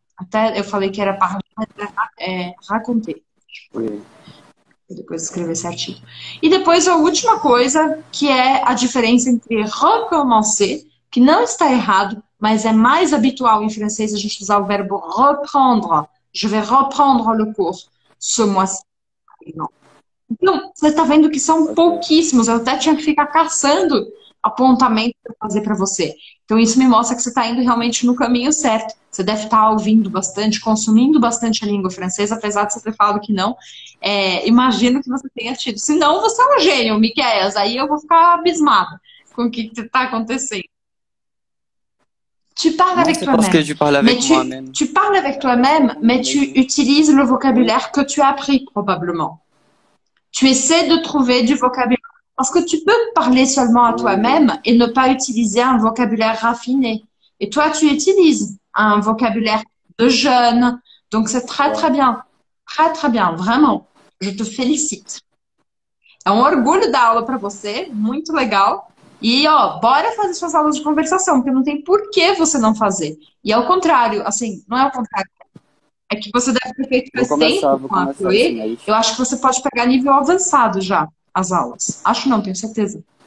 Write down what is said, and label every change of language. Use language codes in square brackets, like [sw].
[pt] Até eu falei que era parler, mas é raconter. Vou depois escrever certinho. E depois a última coisa, que é a diferença entre recommencer, que não está errado. Mas é mais habitual em francês a gente usar o verbo reprendre. [fr] Je vais reprendre le cours ce mois-ci. [pt] Então, você está vendo que são pouquíssimos. Eu até tinha que ficar caçando apontamento para fazer para você. Então, isso me mostra que você está indo realmente no caminho certo. Você deve estar ouvindo bastante, consumindo bastante a língua francesa, apesar de você ter falado que não. Imagino que você tenha tido. Se não, você é um gênio, Miquelias. Aí eu vou ficar abismada com o que está acontecendo. [fr] Tu parles Non, avec c'est parce toi-même, que je parle mais avec moi-même. tu parles avec toi-même, mais tu Oui. utilises le Oui. vocabulaire que tu as appris probablement. Tu essaies de trouver du vocabulaire parce que tu peux parler seulement à toi-même et ne pas utiliser un vocabulaire raffiné. Et toi, tu utilises un vocabulaire de jeune. Donc c'est très très bien, très très bien, vraiment. Je te félicite. [pt] É um orgulho dar aula para você, muito legal. E ó, bora fazer suas aulas de conversação, porque não tem por que você não fazer. E ao contrário, assim, não é ao contrário. É que você deve ter feito faz tempo Vou com a começar esse Chloe. mês. Eu acho que você pode pegar nível avançado já as aulas. Acho não, tenho certeza.